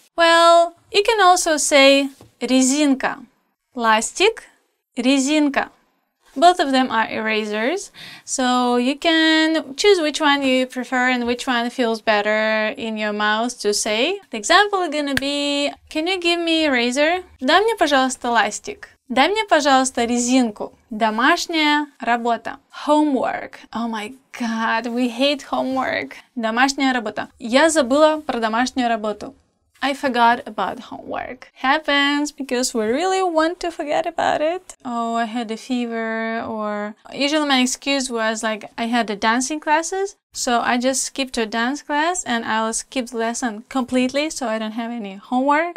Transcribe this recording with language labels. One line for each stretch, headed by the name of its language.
English: Well, you can also say резинка.
Russian: Ластик, резинка.
English: Both of them are erasers, so you can choose which one you prefer and which one feels better in your mouth to say. The example is gonna be, can you give me eraser?
Russian: Дай мне, пожалуйста, ластик. Дай мне, пожалуйста, резинку. Домашняя работа.
English: Homework. Oh my god, we hate homework.
Russian: Домашняя работа. Я забыла про домашнюю работу.
English: I forgot about homework. Happens because we really want to forget about it. Oh, I had a fever, or usually my excuse was like I had the dancing classes. So I just skipped a dance class and I'll skip the lesson completely so I don't have any homework.